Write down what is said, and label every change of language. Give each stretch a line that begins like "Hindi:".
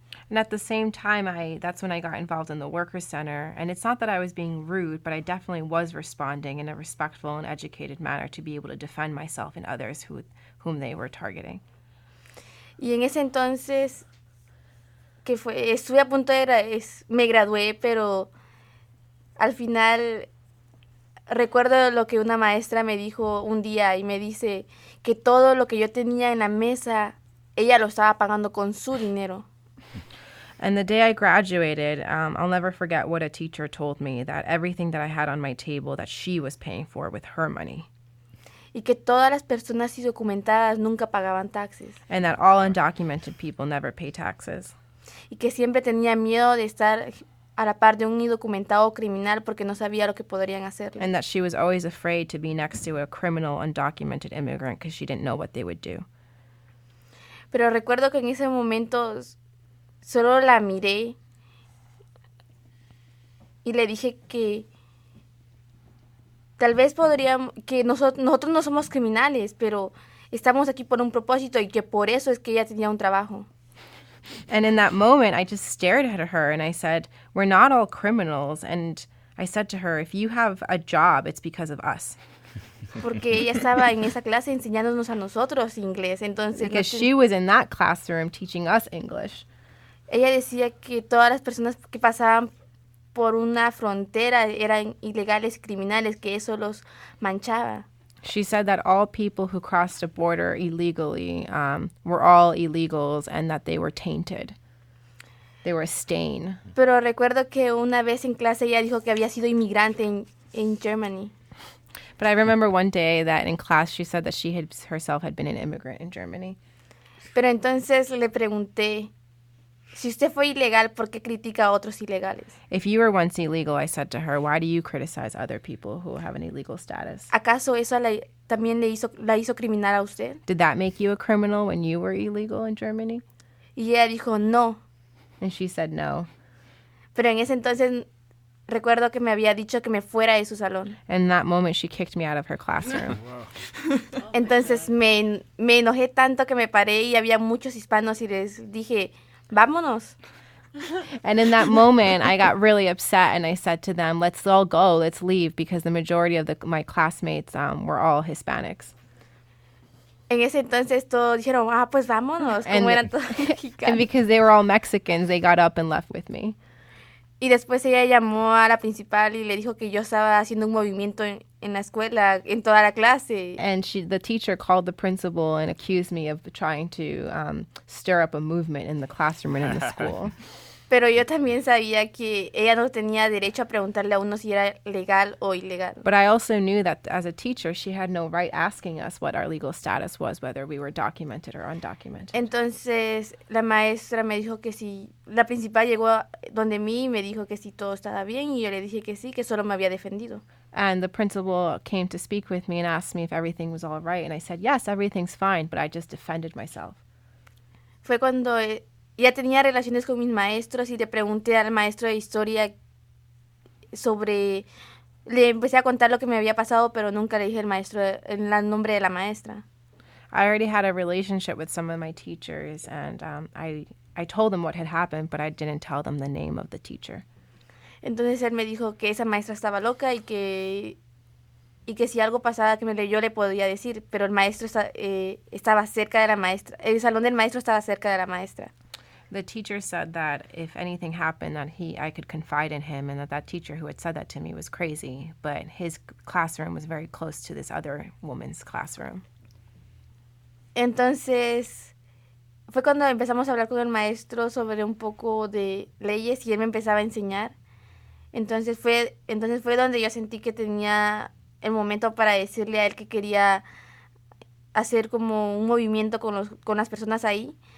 English: And at the same time, that's when I got involved in the Workers Center. And it's not that I was being rude, but I definitely was responding in a respectful and educated manner to be able to defend myself and others whom they were targeting.
Spanish: Y en ese entonces, que fue, estuve a punto de, me gradué, pero al final recuerdo lo que una maestra me dijo un día y me dice que todo lo que yo tenía en la mesa, ella lo estaba pagando con su dinero.
English: And the day I graduated, I'll never forget what a teacher told me, that everything that I had on my table that she was paying for with her money.
Spanish: Y que todas las personas indocumentadas nunca pagaban taxes.
English: And that all undocumented people never pay taxes.
Spanish: Y que siempre tenía miedo de estar a la par de un indocumentado criminal porque no sabía lo que podrían hacerle.
English: And that she was always afraid to be next to a criminal undocumented immigrant because she didn't know what they would do.
Spanish: Pero recuerdo que en ese momento solo la miré y le dije que tal vez podríamos, que nosotros no somos criminales, pero estamos aquí por un propósito y que por eso es que ella tenía un trabajo.
English: And in that moment, I just stared at her and I said, we're not all criminals. And I said to her, if you have a job, it's because of us.
Spanish: Porque ella estaba en esa clase enseñándonos a nosotros inglés. Entonces,
English: because she was in that classroom teaching us English.
Spanish: Ella decía que todas las personas que pasaban por una frontera eran ilegales, criminales, que eso los manchaba.
English: She said that all people who crossed a border illegally were all illegals and that they were tainted. They were a stain.
Spanish: Pero recuerdo que una vez en clase ella dijo que había sido inmigrante en Germany.
English: But I remember one day that in class she said that she had, herself had been an immigrant in Germany.
Spanish: Pero entonces le pregunté, si usted fue ilegal, ¿por qué critica a otros ilegales?
English: If you were once illegal, I said to her, why do you criticize other people who have an illegal status?
Spanish: ¿Acaso eso también la hizo criminal a usted?
English: Did that make you a criminal when you were illegal in Germany?
Spanish: Y ella dijo, no.
English: And she said no.
Spanish: Pero en ese entonces, recuerdo que me había dicho que me fuera de su salón.
English: And in that moment, she kicked me out of her classroom.
Spanish: Entonces, me enojé tanto que me paré y había muchos hispanos y les dije, vámonos.
English: And in that moment, I got really upset and I said to them, let's all go, let's leave, because the majority of my classmates were all Hispanics.
Spanish: En ese entonces todos dijeron, ah, pues vámonos. Como eran todos mexicanos.
English: And because they were all Mexicans, they got up and left with me.
Spanish: Y después ella llamó a la principal y le dijo que yo estaba haciendo un movimiento en la escuela, en toda la clase.
English: And the teacher called the principal and accused me of trying to stir up a movement in the classroom and in the school.
Spanish: Pero yo también sabía que ella no tenía derecho a preguntarle a uno si era legal o ilegal.
English: But I also knew that as a teacher, she had no right asking us what our legal status was, whether we were documented or undocumented.
Spanish: Entonces, la maestra me dijo que si, la principal llegó donde mí y me dijo que si todo estaba bien, y yo le dije que sí, que solo me había defendido.
English: And the principal came to speak with me and asked me if everything was all right, and I said, yes, everything's fine, but I just defended myself.
Spanish: Fue cuando... Ya tenía relaciones con mis maestros y le pregunté al maestro de historia sobre... Le empecé a contar lo que me había pasado, pero nunca le dije el nombre de la maestra.
English: I already had a relationship with some of my teachers, and I told them what had happened, but I didn't tell them the name of the teacher.
Spanish: Entonces él me dijo que esa maestra estaba loca y que si algo pasaba que me leyó, le podía decir, pero el maestro estaba cerca de la maestra. El salón del maestro estaba cerca de la maestra.
English: The teacher said that if anything happened, that I could confide in him, and that teacher who had said that to me was crazy, but his classroom was very close to this other woman's classroom.
Spanish: Entonces, fue cuando empezamos a hablar con el maestro sobre un poco de leyes, y él me empezaba a enseñar. Entonces fue donde yo sentí que tenía el momento para decirle a él que quería hacer como un movimiento con las personas ahí.